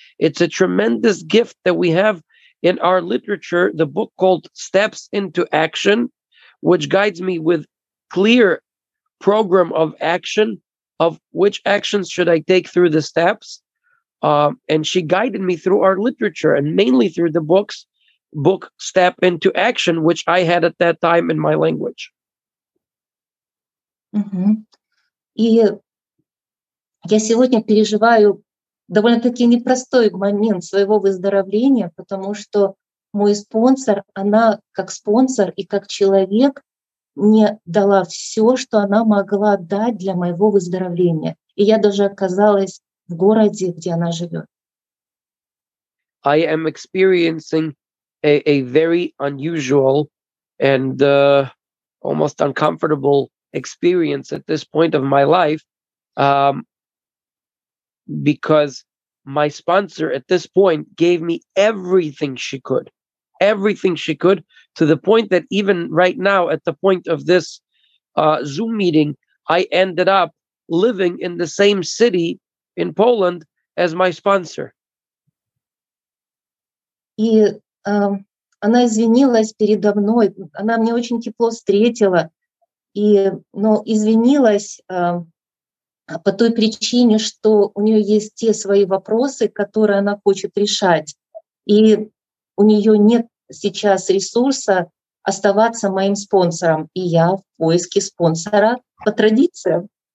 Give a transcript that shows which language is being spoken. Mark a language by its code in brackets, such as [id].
[en] It's a tremendous gift that we have in our literature, the book called Steps into Action, which guides me with clear program of action of which actions should I take through the steps. And she guided me through our literature and mainly through the books. Book Step into Action, which I had at that time in my language. Угу. [ru] И я сегодня переживаю довольно-таки непростой момент своего выздоровления, потому что мой спонсор, она как спонсор и как человек мне дала все, что она могла дать для моего выздоровления. И я даже оказалась в городе, где она живет. [en] I am experiencing a very unusual and almost uncomfortable experience at this point of my life because my sponsor at this point gave me everything she could to the point that even right now at the point of this Zoom meeting, I ended up living in the same city in Poland as my sponsor. [ru] Она извинилась передо мной, она мне очень тепло встретила, но извинилась по той причине, что у нее есть те свои вопросы, которые она хочет решать, и у нее нет сейчас ресурса оставаться моим спонсором, и я в поиске спонсора по традициям.